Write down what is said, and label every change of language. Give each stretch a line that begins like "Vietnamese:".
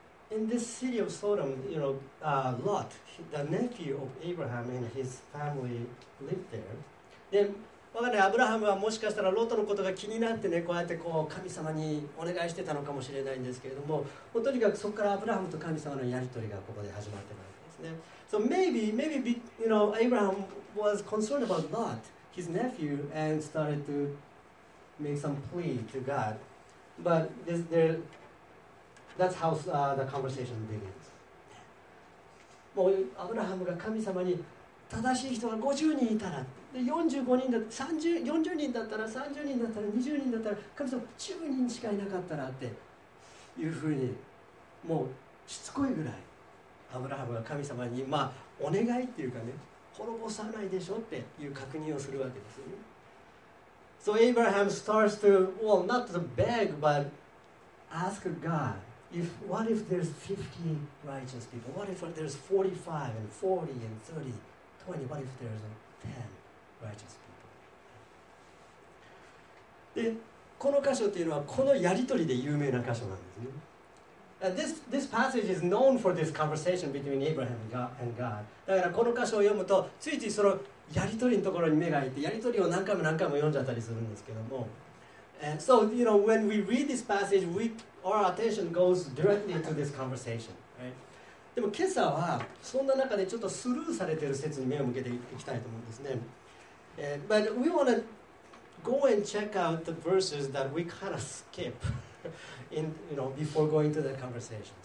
English: In this city of Sodom, you know, Lot, the nephew of Abraham and his family lived there.
Japanese: Then, わかんない、アブラハムはもしかしたらロトのことが気になってね、こうやってこう神様にお願いしてたのかもしれないんですけれども、もうとにかくそこからアブラハムと神様のやり取りがここで始まってます。
English: So maybe you know, Abraham was concerned about Lot, his nephew, and started to make some plea to God. But that's how the conversation begins.
Japanese: もうアブラハムが神様に正しい人が50人いたら、で45人だ、30、40人だったら、30人だったら、20人だったら、神様10人しかいなかったらっていうふうに、もうしつこいぐらい。アブラハムは神様に、まあ、お願いっていうかね、滅ぼさないでしょっていう確認をするわけですよね。
English: So Abraham starts to, well, not to beg, but ask God, what if there's 50 righteous people? What if there's 45 and 40 and 30, 20? What if there's 10 righteous people?
Japanese: で、この箇所っていうのはこのやり取りで有名な箇所なんですね。
English: This passage is known for this conversation between Abraham and God.
Japanese: だからこの箇所を読むとついついそのやり取りのところに目が行ってやり取りを何回も何回も読んじゃったりするんですけども。
English: And so, you know, when we read this passage, our attention goes directly to this conversation.
Japanese: でも今朝はそんな中でちょっとスルーされている説に目を向けていきたいと思うんですね。
English: But we want to go and check out the verses that we kind of skip. In, you know, before going to the conversation.